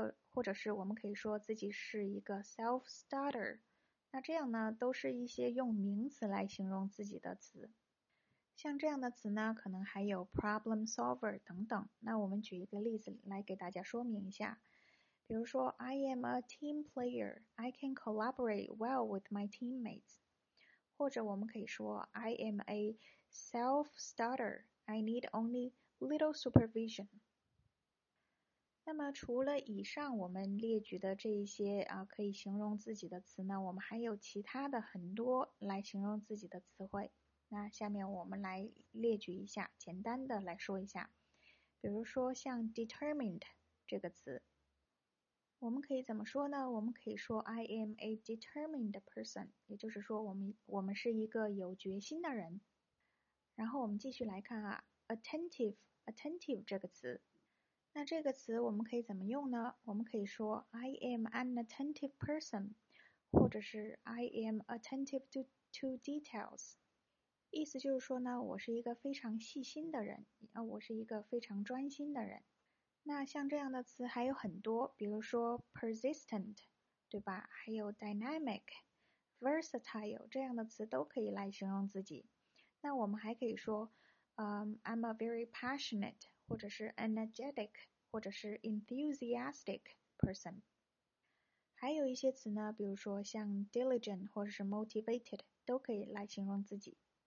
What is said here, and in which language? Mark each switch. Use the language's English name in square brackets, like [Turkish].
[Chinese] 或者是我们可以说自己是一个 self starter， 那这样呢，都是一些用名词来形容自己的词。像这样的词呢，可能还有 problem solver 等等。那我们举一个例子来给大家说明一下。 [English] 比如说 I am a team player, I can collaborate well with my teammates。或者我们可以说 I am a self starter,I need only little supervision。 [Chinese] 那么除了以上我们列举的这一些可以形容自己的词呢，我们还有其他的很多来形容自己的词汇。那下面我们来列举一下，简单的来说一下。比如说像 determined 这个词，我们可以怎么说呢？我们可以说 [English] I am a determined person， [Chinese] 也就是说我们是一个有决心的人。然后我们继续来看啊 attentive 这个词。那这个词我们可以怎么用呢？我们可以说 [English] I am an attentive person， 或者是 I am attentive to details。 [Chinese] 意思就是说呢，我是一个非常细心的人，我是一个非常专心的人。那像这样的词还有很多，比如说 persistent， 对吧？还有 dynamic， versatile 这样的词都可以来形容自己。那我们还可以说I'm a very passionate 或者是 energetic 或者是 enthusiastic person。还有一些词呢，比如说像 diligent 或者是 motivated 都可以来形容自己。